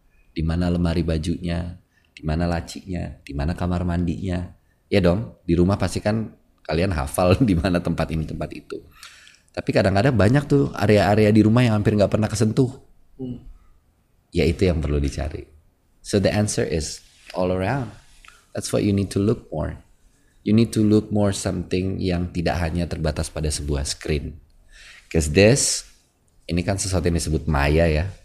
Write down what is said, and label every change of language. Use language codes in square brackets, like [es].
[id] Di mana lemari bajunya, di mana lacinya, di mana kamar mandinya. Ya dong, di rumah pasti kan kalian hafal di mana tempat ini, tempat itu. Tapi kadang-kadang banyak tuh area-area di rumah yang hampir gak pernah kesentuh. Ya itu yang perlu dicari. [en] So the answer is all around. That's what you need to look more. You need to look more something [id] yang tidak hanya terbatas pada sebuah [en] screen. Because this, [id] ini kan sesuatu yang disebut maya ya.